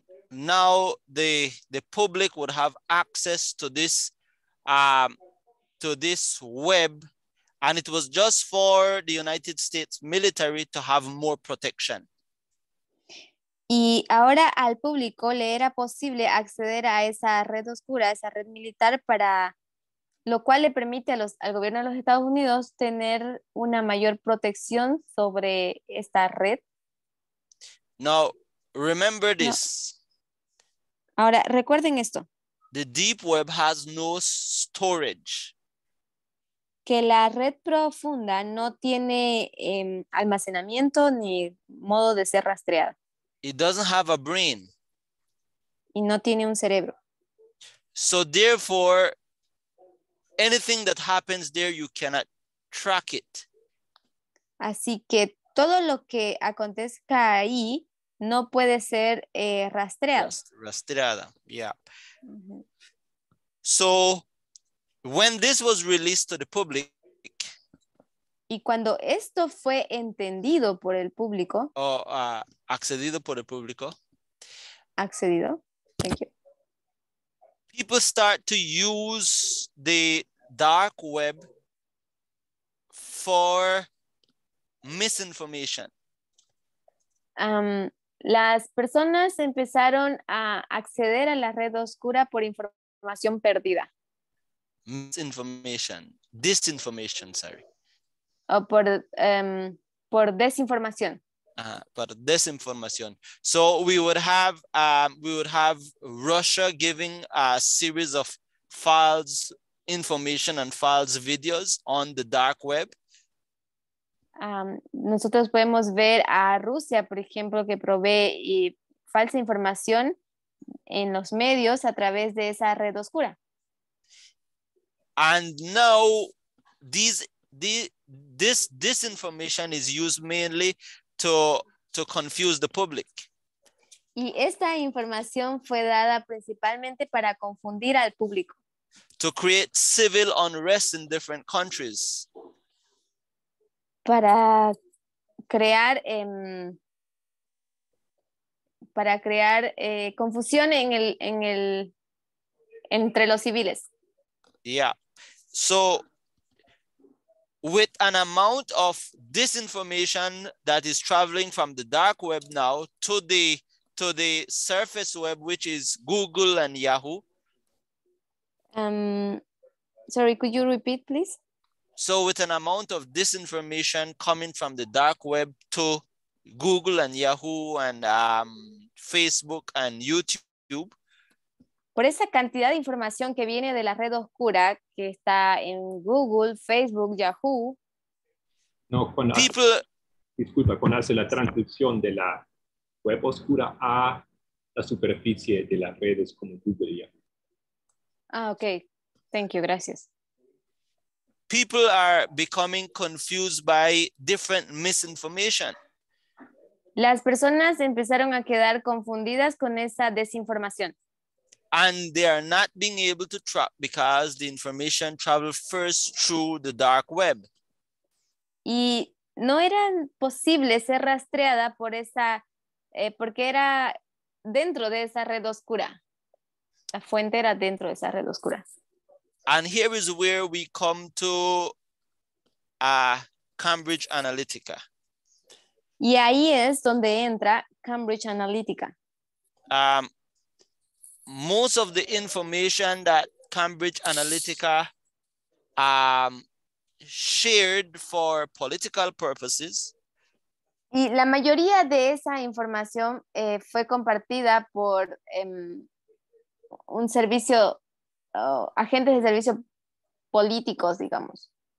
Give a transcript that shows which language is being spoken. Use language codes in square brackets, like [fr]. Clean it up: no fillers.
[en] Now the public would have access to this web, and it was just for the United States military to have more protection. [es] Y ahora al público le era posible acceder a esa red oscura, esa red militar, para lo cual le permite al gobierno de los Estados Unidos tener una mayor protección sobre esta red. [en] Now, remember this. [es] No. Ahora, recuerden esto. [en] The deep web has no storage. [es] Que la red profunda no tiene almacenamiento ni modo de ser rastreada. [en] It doesn't have a brain. [es] Y no tiene un cerebro. [en] So therefore, anything that happens there, you cannot track it. [es] Así que todo lo que acontezca ahí no puede ser rastreado. Rastreada, yeah. Mm-hmm. [en] So when this was released to the public, [es] y cuando esto fue entendido por el público. Accedido por el público. Accedido. [en] Thank you. People start to use the dark web for misinformation. [es] Las personas empezaron a acceder a la red oscura por información perdida. [en] Misinformation. Disinformation, sorry. [es] O por desinformación. Por desinformación. [en] So we would have Russia giving a series of false information and false videos on the dark web. [es] Nosotros podemos ver a Rusia, por ejemplo, que provee y falsa información en los medios a través de esa red oscura. [en] And now this disinformation is used mainly to confuse the public. [es] Y esta información fue dada principalmente para confundir al público. [en] To create civil unrest in different countries. [es] Para crear confusión en el entre los civiles. [en] Yeah. So with an amount of disinformation that is traveling from the dark web now to the surface web, which is Google and Yahoo. Sorry, could you repeat, please? So with an amount of disinformation coming from the dark web to Google and Yahoo and Facebook and YouTube. [es] Por esa cantidad de información que viene de la red oscura que está en Google, Facebook, Yahoo. No, con people, disculpa, con hace la transcripción de la web oscura a la superficie de las redes como Google y Yahoo. [en] Ah, okay. Thank you. [es] Gracias. [en] People are becoming confused by different misinformation. [es] Las personas empezaron a quedar confundidas con esa desinformación. [en] And they are not being able to track because the information traveled first through the dark web. [es] Y no era posible ser rastreada por esa, porque era dentro de esa red oscura. La fuente era dentro de esa red oscura. [en] And here is where we come to Cambridge Analytica. [es] Y ahí es donde entra Cambridge Analytica. [en] Most of the information that Cambridge Analytica shared for political purposes. [es] Y la mayoría de esa información fue compartida por un servicio, agentes de servicio políticos, digamos.